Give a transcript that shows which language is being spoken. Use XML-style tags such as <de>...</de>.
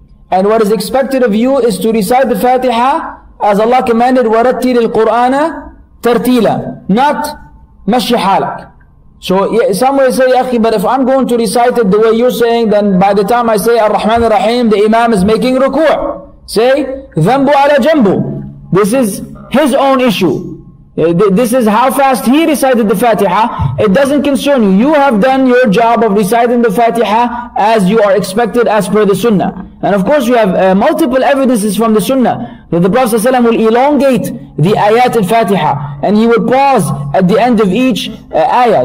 <en>And what is expected of you is to recite the Fatiha as Allah commanded,</en> <ar>وَرَتِّلِ الْقُرْآنَ تَرْتِيلًا,</ar> <en>not</en> <ar>مَشِّ حَالَك.</ar> <en>So some will say,</en> <ar>أخي,</ar> <en>but if I'm going to recite it the way you're saying, then by the time I say</en> <ar>الرحمن الرحيم,</ar> <en>the Imam is making ruku'. Say,</en> <ar>ذَنْبُ عَلَى جَنْبُ.</ar> <en>This is his own issue. This is how fast he recited the Fatiha. It doesn't concern you. You have done your job of reciting the Fatiha as you are expected as per the Sunnah. And of course, we have multiple evidences from the Sunnah that the Prophet ﷺ will elongate the ayat al-Fatiha, and he will pause at the end of each ayah.</en>